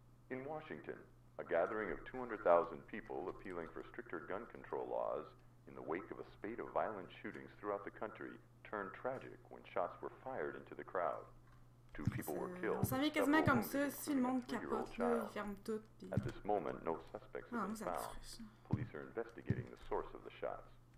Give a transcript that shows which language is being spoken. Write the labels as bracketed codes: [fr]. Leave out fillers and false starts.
[en] In Washington, a gathering of 200,000 people appealing for stricter gun control laws in the wake of a spate of violent shootings throughout the country turned tragic when shots were fired into the crowd. Two people. [fr] On s'en vient quasiment comme ça, si le monde capote, là, ils ferment tout. Puis... [en] At this moment, no suspects have been found. Police are investigating the source of the shots.